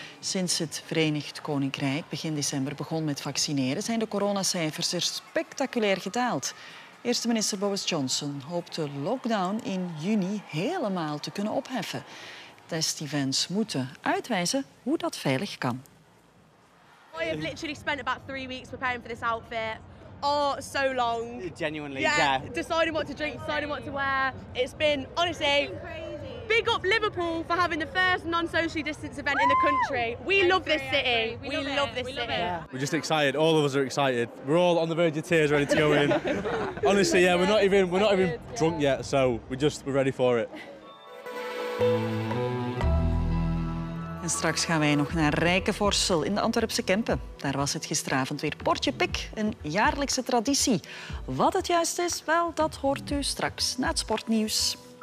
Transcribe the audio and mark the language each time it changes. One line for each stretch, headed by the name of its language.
Dutch: Sinds het Verenigd Koninkrijk begin december begon met vaccineren, zijn de coronacijfers er spectaculair gedaald. Eerste minister Boris Johnson hoopt de lockdown in juni helemaal te kunnen opheffen. Test-events moeten uitwijzen hoe dat veilig kan.
English: I have literally spent about 3 weeks preparing for this outfit. Oh, so long. Genuinely, yeah. Deciding what to drink, deciding what to wear. It's been, honestly, it's been crazy. Big up Liverpool for having the first non-socially distance event in the country. We love this city. We love this city. We're just excited. All of us are excited. We're all on the verge of tears, ready to go in. Honestly, yeah, we're not even drunk yet, so we're ready for it.
Dutch: En straks gaan wij nog naar Rijkenvorsel in de Antwerpse Kempen. Daar was het gisteravond weer Portje Pik, een jaarlijkse traditie. Wat het juist is, wel, dat hoort u straks na het sportnieuws.